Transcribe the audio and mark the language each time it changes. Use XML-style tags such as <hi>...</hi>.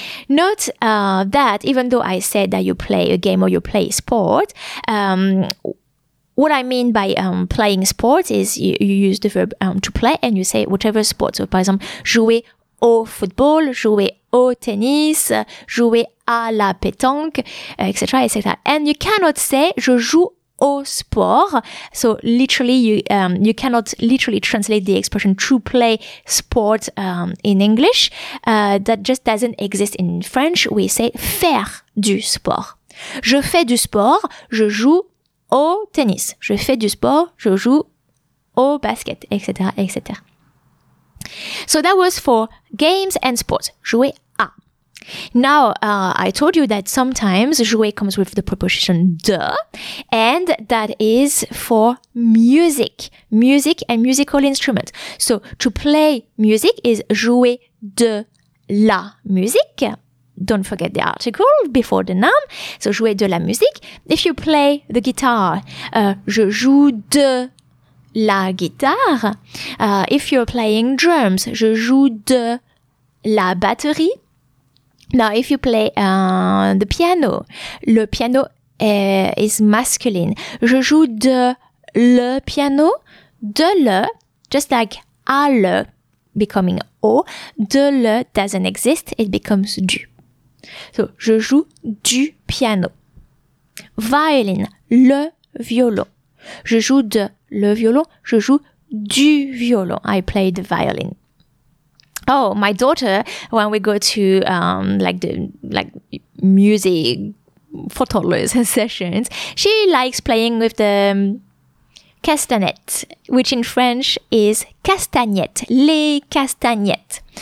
<en>Note that even though I said that you play a game or you play sport, what I mean by playing sport is you use the verb to play and you say whatever sport. So, for example,</en> <fr>jouer au football, jouer au tennis, jouer à la pétanque, etc.</fr> <en>etc. And you cannot say</en> <fr>je joue au sport.</fr> <en>So literally, you cannot literally translate the expression to play sport in English. That just doesn't exist in French. We say</en> <fr>faire du sport.</fr> <en>Je fais du sport.</en> <fr>Je joue au tennis. Je fais du sport. Je joue au basket, etc., etc.</fr> <en>So that was for games and sports.</en> <fr>Jouer à.</fr> <en>Now, I told you that sometimes jouer comes with the preposition de, and that is for music, music and musical instrument. So to play music is</en> <fr>jouer de la musique.</fr> <en>Don't forget the article before the noun. So</en> <fr>jouer de la musique.</fr> <en>If you play the guitar,</en> <fr>je joue de la guitare.</fr> <en>If you're playing drums,</en> <fr>je joue de la batterie.</fr> <en>Now, if you play the piano, le piano is masculine.</en> <fr>Je joue de le piano, de le,</fr> <en>just like</en> <fr>à le,</fr> <en>becoming</en> <fr>au.</fr> <en>De le doesn't exist, it becomes du.</en> <fr>So, je joue du piano. Violin, le violon. Je joue de le violon, je joue du violon.</fr> <en>I play the violin. Oh, my daughter, when we go to like music for toddlers sessions, she likes playing with the castanet, which in French is castagnette, les castagnettes.</en>